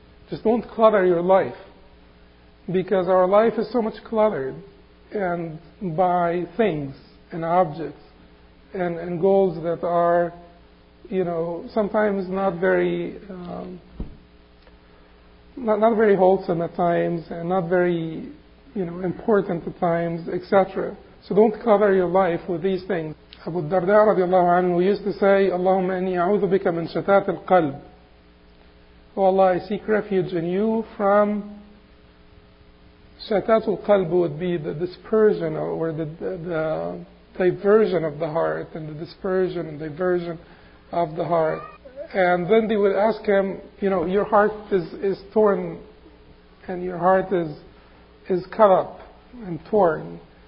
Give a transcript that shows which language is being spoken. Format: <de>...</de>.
<en>Just don't clutter your life. Because our life is so much cluttered, and by things and objects and goals that are, you know, sometimes not very not very wholesome at times, and not very, you know, important at times, etc. So don't clutter your life with these things.</en> <ar>Abu Darda رضي الله عنه</ar> <en>used to say,</en> <ar>اللهم أني أعوذ بك من شتات القلب.</ar> <en>Oh Allah, I seek refuge in you from</en> <ar>شتات القلب,</ar> <en>would be the dispersion or the diversion of the heart, and the dispersion and diversion of the heart. And then they would ask him, you know, your heart is torn and your heart is cut up and torn.</en>